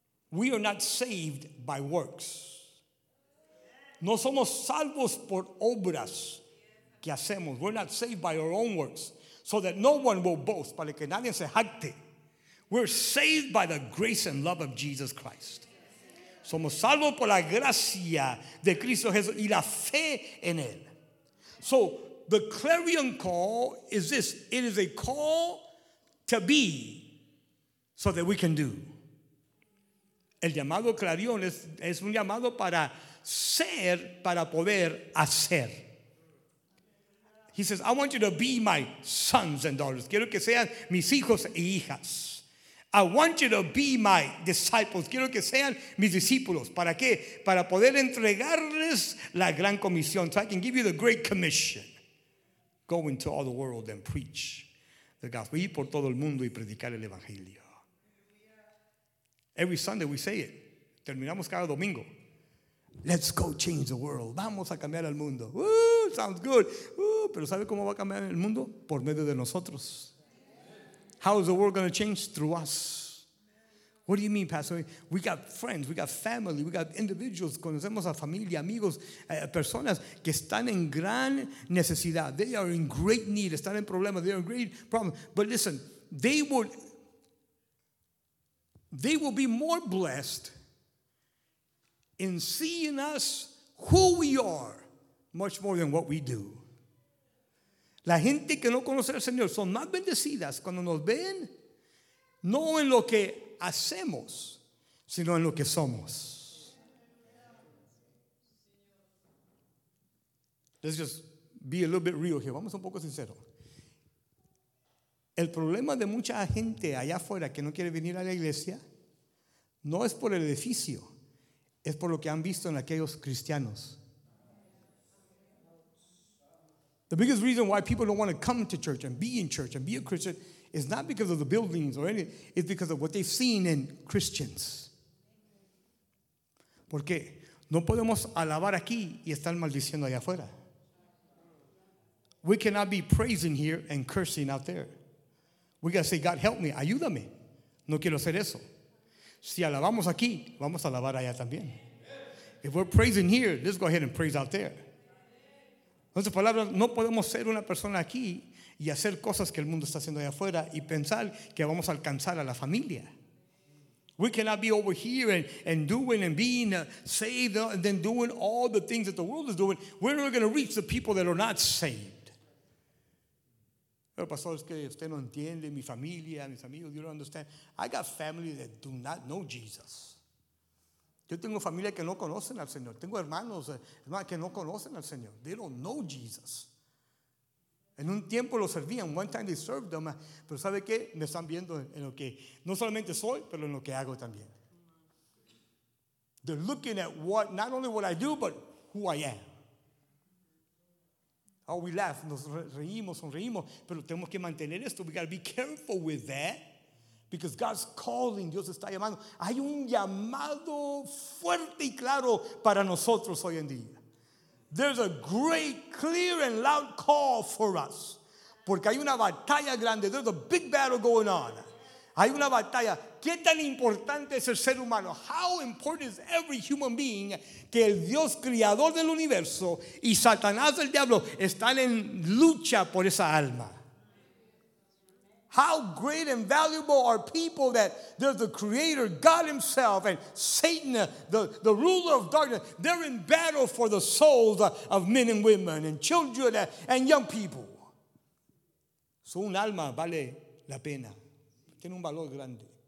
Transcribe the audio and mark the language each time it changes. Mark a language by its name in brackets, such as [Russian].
[English] We are not saved by works. [Spanish] No somos salvos por obras que hacemos. [English] We're not saved by our own works. So that no one will boast. [Spanish] Para que nadie se jacte. [English] We're saved by the grace and love of Jesus Christ. [Spanish] Somos salvos por la gracia de Cristo Jesús y la fe en Él. [English] So the clarion call is this. It is a call to be so that we can do. [Spanish] El llamado clarion es un llamado para ser para poder hacer. [English] He says, I want you to be my sons and daughters. [Spanish] Quiero que sean mis hijos e hijas. [English] I want you to be my disciples. [Spanish] Quiero que sean mis discípulos. ¿Para qué? Para poder entregarles la gran comisión. [English] So I can give you the great commission. Go into all the world and preach the gospel. [Spanish] Ir por todo el mundo y predicar el evangelio. [English] Every Sunday we say it. [Spanish] Terminamos cada domingo. [English] Let's go change the world. [Spanish] Vamos a cambiar el mundo. [English] Sounds good. [Spanish] Pero ¿sabe cómo va a cambiar el mundo? Por medio de nosotros. [English] How is the world going to change? Through us. What do you mean, Pastor? We got friends, we got family, we got individuals. [Spanish] Conocemos a familia, amigos, personas que están en gran necesidad. [English] They are in great need. [Spanish] Están en problemas. [English] They are in great problems. But listen, they will be more blessed in seeing us who we are much more than what we do. [Spanish] La gente que no conoce al Señor son más bendecidas cuando nos ven, no en lo que hacemos, sino en lo que somos. [English] Let's just be a little bit real here. [Spanish] Vamos un poco sincero. El problema de mucha gente allá afuera que no quiere venir a la iglesia No es por el edificio, es por lo que han visto en aquellos cristianos. [English] The biggest reason why people don't want to come to church and be in church and be a Christian is not because of the buildings or anything, it's because of what they've seen in Christians. [Spanish] Porque no podemos alabar aquí y estar maldiciendo allá afuera. [English] We cannot be praising here and cursing out there. We got to say, God, help me, [Spanish] ayúdame. No quiero hacer eso. Si alabamos aquí, vamos a alabar allá también. [English] If we're praising here, let's go ahead and praise out there. [Spanish] En otras palabras, no podemos ser una persona aquí y hacer cosas que el mundo está haciendo allá afuera y pensar que vamos a alcanzar a la familia. [English] We cannot be over here and doing and being saved and then doing all the things that the world is doing. We're not going to reach the people that are not saved. [Spanish] Pero pastor, es que usted no entiende mi familia, mis amigos, [English] you don't understand. I got family that do not know Jesus. [Spanish] Yo tengo familia que no conocen al Señor. Tengo hermanos, hermanas que no conocen al Señor. [English] They don't know Jesus. [Spanish] En un tiempo lo servían. [English] One time they served them. [Spanish] Pero ¿sabe qué? Me están viendo en lo que no solamente soy, pero en lo que hago también. [English] They're looking at what, not only what I do, but who I am. Oh, we laugh. [Spanish] Nos reímos, sonreímos. Pero tenemos que mantener esto. [English] We got to be careful with that. Because God's calling, [Spanish] Dios está llamando. Hay un llamado fuerte y claro para nosotros hoy en día. [English] There's a great, clear, and loud call for us. [Spanish] Porque hay una batalla grande. [English] There's a big battle going on. [Spanish] Hay una batalla. ¿Qué tan importante es el ser humano? [English] How important is every human being? [Spanish] Que el Dios creador del universo y Satanás el diablo están en lucha por esa alma. [English] How great and valuable are people that they're the creator, God himself, and Satan, the ruler of darkness. They're in battle for the souls of men and women and children and young people. [Spanish] So un alma vale la pena. Tiene un valor grande.